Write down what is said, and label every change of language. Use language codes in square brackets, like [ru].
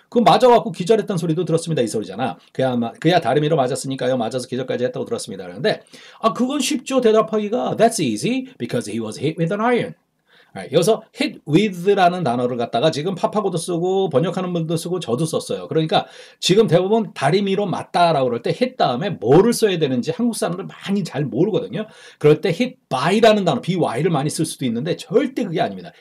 [ko] 그 맞아갖고 기절했던 소리도 들었습니다. 이 소리잖아. 그야 다리미로 맞았으니까요. 맞아서 기절까지 했다고 들었습니다. 그런데 아 그건 쉽죠. 대답하기가 [en] that's easy because he was hit with an iron. [ko] 여기서 hit with라는 단어를 갖다가 지금 파파고도 쓰고 번역하는 분도 쓰고 저도 썼어요. 그러니까 지금 대부분 다리미로 맞다라고 그럴 때 hit 다음에 뭐를 써야 되는지 한국 사람들 많이 잘 모르거든요. 그럴 때 hit by라는 단어, by를 많이 쓸 수도 있는데 절대 그게 아닙니다.